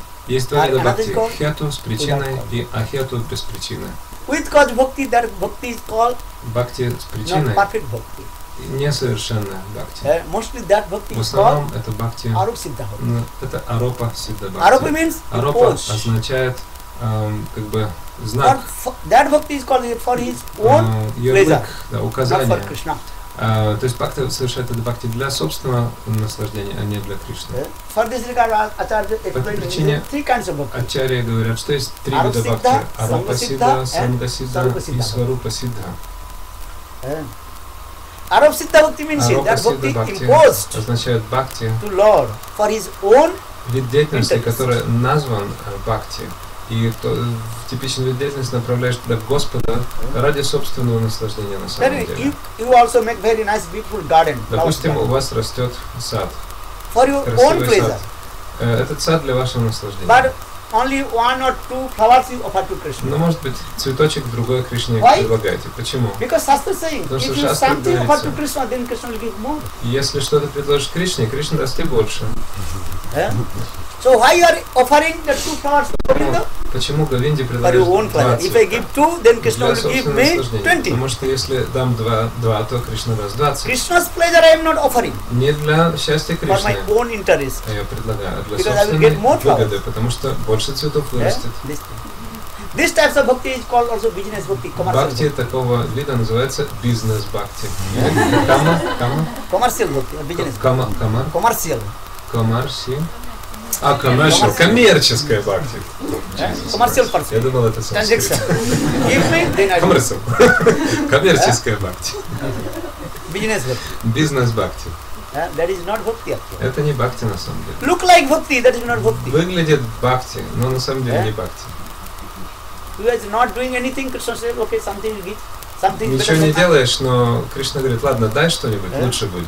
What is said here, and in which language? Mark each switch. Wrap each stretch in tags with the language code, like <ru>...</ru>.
<ru>Есть два вида бхакти, хету с причиной и ахету без причины.</ru> <en>With cause bhakti, that bhakti is called</en> <ru>bhakti с причиной.</ru> <en>Not perfect bhakti.</en> <ru>Несовершенная бхакти.</ru> <en>Mostly that bhakti</en> <ru>в основном это бхакти.</ru> <en>Aroop siddha bhakti.</en> <ru>Ну, это аропа сидда бхакти.</ru> <en>Aroop means</en> <ru>аропа означает как бы знак.</ru> <en>That bhakti is called for his own pleasure.</en> <ru>Да, указание. То есть бхакти совершает это бхакти для собственного наслаждения, а не для Кришны.</ru> <en>For this regard, Acharya explained there are three kinds of bhakti.</en> <ru>Ачарья говорят, что есть три вида бхакти: аропа сидда, санга сидда и сварупа сидда.</ru> <en>Aroop siddha bhakti means that bhakti imposed</en> <ru>означает бхакти</ru> <en>to Lord for his own</en> <ru>вид деятельности, который назван бхакти. И то, типичный вид деятельности направляешь туда Господа ради собственного наслаждения на самом деле.</ru> <en>You also make very nice, beautiful garden.</en> <ru>Допустим, у вас растет сад.</ru> <en>For your</en> <ru>красивый</ru> <en>own pleasure.</en> <ru>Сад. Этот сад для вашего наслаждения.</ru> <en>But only one or two flowers you offer to Krishna.</en> <ru>Но может быть цветочек другой Кришне предлагаете. Почему?</ru> <en>Because Shastra saying, if you something offer to Krishna, then Krishna will give more.</en> <ru>Если что-то предложишь Кришне, Кришна даст тебе больше.</ru> <en>So why you are offering the two flowers to Govinda?</en> <ru>Почему Говинде предлагаешь два цветка?</ru> <en>If I give two, then Krishna will give me 20.</en> <ru>Потому что если дам два, то Кришна даст 20.</ru> <en>Krishna's pleasure I am not offering.</en> <ru>Не для счастья Кришны.</ru> <en>For my own interest.</en> <ru>А я предлагаю для собственной выгоды, потому что больше цветов вырастет.</ru> <en>This type of bhakti is called also business bhakti, commercial</en> <ru>bhakti. Bhakti такого вида называется business bhakti. Кама?</ru> <en>Commercial bhakti, business</en> <ru>bhakti. Кама?</ru> <en>Commercial. Commercial.</en> <ru>А, коммерческая, коммерческая бхакти.</ru> <en>Коммерсиал парти.</en> <ru>Я думал, это сообщество. Коммерческая бхакти. Бизнес бхакти. Бизнес бхакти.</ru> <en>That is not bhakti actually.</en> <ru>Это не бхакти на самом деле.</ru> <en>Look like bhakti, that is not bhakti.</en> <ru>Выглядит бхакти, но на самом деле не бхакти.</ru> <en>You are not doing anything, Krishna says, okay, something you give.</en> <ru>Ничего не делаешь, но Кришна говорит, ладно, дай что-нибудь, лучше будет.</ru>